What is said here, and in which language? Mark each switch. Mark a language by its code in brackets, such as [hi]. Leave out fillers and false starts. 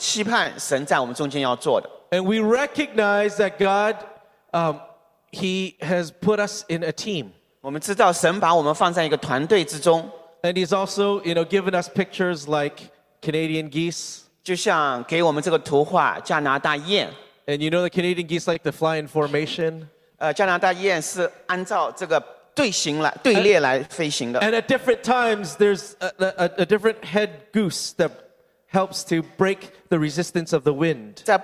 [en] And we recognize that God, He has put us in a team. And he's also, you know, given us pictures like Canadian geese. [zh] 就像给我们这个图画加拿大雁。 [en] And you know the Canadian geese like to fly in formation. [zh] 加拿大雁是按照这个队形来队列来飞行的。 [en] And at different times, there's a different head goose that helps to break the resistance of the wind.